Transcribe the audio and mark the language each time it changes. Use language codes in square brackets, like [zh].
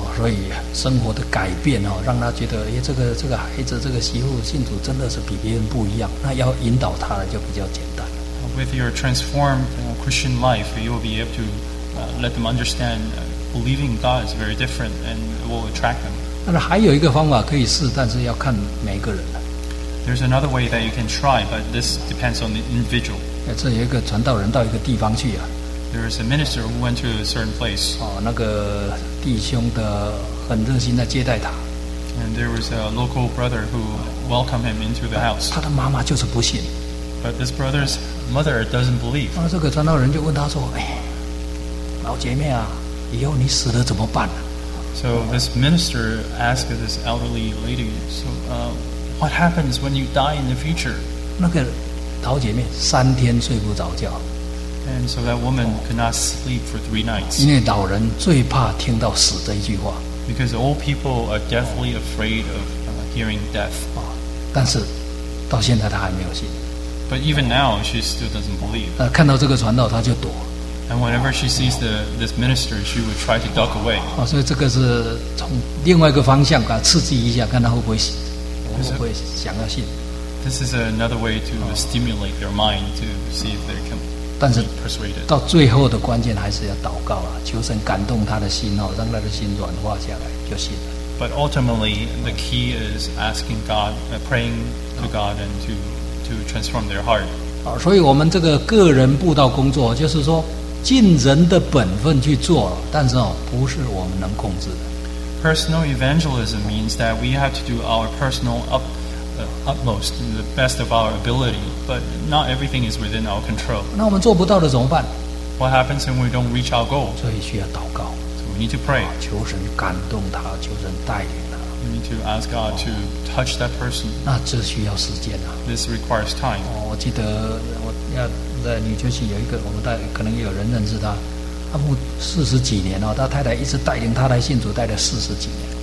[zh] 所以生活的改变哦，让他觉得，哎，这个孩子，这个媳妇信主真的是比别人不一样。那要引导他就比较简单。 [en] With your transformed Christian life, you will be able to let them understand believing God is very different and it will attract them. [zh] 但是还有一个方法可以试，但是要看每个人。 [en] There's another way that you can try, but this depends on the individual. [zh] 这有一个传道人到一个地方去啊。 [en] There is a minister who went to a certain place. [zh] 哦，那个弟兄的很热心的接待他。 [en] And there was a local brother who welcomed him into the house. [zh] 他的妈妈就是不信。 [en] But this brother's mother doesn't believe. [zh] 啊，这个传道人就问他说：“哎，老姐妹啊，以后你死了怎么办？” [en] So this minister asked this elderly lady, "So, what happens when you die in the future?" [zh] 那个老姐妹三天睡不着觉。 [en] And so that woman could not sleep for three nights. [zh] 因为老人最怕听到死这一句话。 [en] Because old people are deathly afraid of hearing death. [zh] 啊，但是到现在她还没有信。 [en] But even now, she still doesn't believe. [zh] 看到这个传道，她就躲。 [en] And whenever she sees this minister, she would try to duck away. [zh] 哦，所以这个是从另外一个方向给他刺激一下，看他会不会想要信。 [en] This is another way to stimulate their mind to see if they can. [zh] 但是到最后的关键还是要祷告啊，求神感动他的心哦，让他的心软化下来就信了。 [en] But ultimately, the key is asking God, praying to God, and to transform their heart. [zh] 啊，所以我们这个个人布道工作就是说。尽人的本分去做，但是哦，不是我们能控制的。 [en] Personal evangelism means that we have to do our personal utmost, the best of our ability, but not everything is within our control. [zh] 那我们做不到的怎么办 [en] ？What happens when we don't reach our goal? [zh] 所以需要祷告。 [en] So we need to pray. [zh] 求神感动他，求神带领他。 [en] We need to ask God to touch that person. [zh] 那这需要时间啊。 [en] This requires time. [zh] 哦，我记得我要。在纽约市有一个，我们大可能有人认识他，他牧四十几年了、哦，他太太一直带领他来信主，带了四十几年。